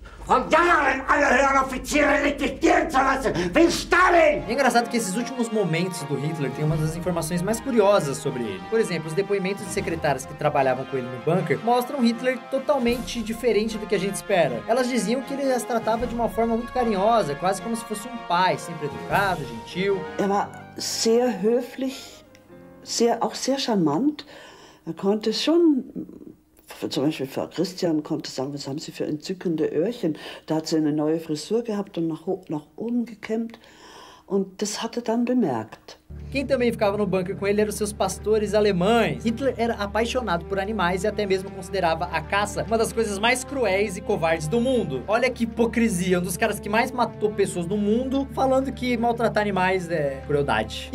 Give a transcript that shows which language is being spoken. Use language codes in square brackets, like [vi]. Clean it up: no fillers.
[pt] É engraçado que esses últimos momentos do Hitler tem uma das informações mais curiosas sobre ele. Por exemplo, os depoimentos de secretárias que trabalhavam com ele no bunker mostram Hitler totalmente diferente do que a gente espera. Elas diziam que ele as tratava de uma forma muito carinhosa, quase como se fosse um pai, sempre educado, gentil. [de] Emma, sehr höflich, sehr, auch sehr charmant. Er konnte schon, zum Beispiel Frau Christian konnte sagen, was haben Sie für entzückende Öhrchen. Da hat sie eine neue Frisur gehabt und nach oben gekämmt. Und das hat er dann bemerkt. [pt] Quem também ficava no bunker com ele eram seus pastores alemães. Hitler era apaixonado por animais e até mesmo considerava a caça uma das coisas mais cruéis e covardes do mundo. Olha que hipocrisia, um dos caras que mais matou pessoas no mundo falando que maltratar animais é crueldade.